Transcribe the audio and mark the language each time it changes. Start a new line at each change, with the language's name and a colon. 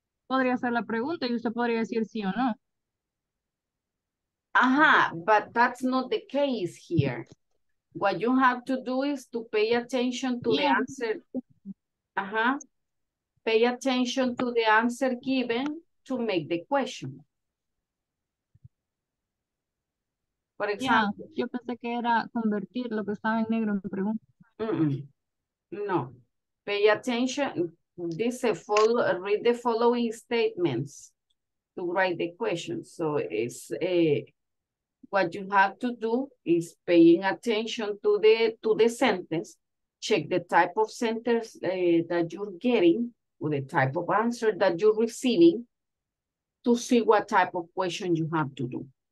Spanish: Podría ser la pregunta y usted podría decir sí o no.
English: Ajá, but that's not the case here. What you have to do is to pay attention to the answer. Ajá. Pay attention to the answer given to make the question.
Spanish: Por ejemplo. Yeah, yo pensé que era convertir lo que estaba en negro en pregunta. No.
English: Pay attention, dice, follow, read the following statements to write the question. So it's what you have to do is paying attention to the sentence, check the type of sentence that you're getting or the type of answer that you're receiving to see what type of question you have to do.